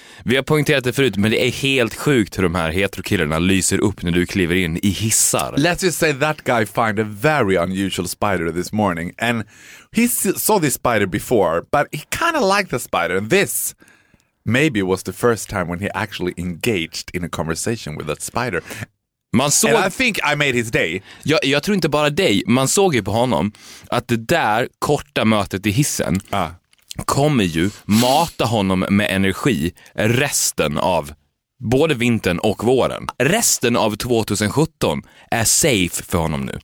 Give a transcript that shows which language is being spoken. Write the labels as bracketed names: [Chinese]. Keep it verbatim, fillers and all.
[Swedish] Vi har poängterat det förut, men det är helt sjukt hur de här heterokillarna lyser upp när du kliver in i hissar. [English] Let's just say that guy found a very unusual spider this morning, and he saw this spider before, but he kind of liked the spider, and this maybe was the first time when he actually engaged in a conversation with that spider. [Swedish] Man såg, [English] and I think I made his day. [Swedish] Jag, jag tror inte bara dig, man såg ju på honom att det där korta mötet i hissen ah. kommer ju mata honom med energi resten av både vintern och våren. Resten av tjugosjutton är safe för honom nu.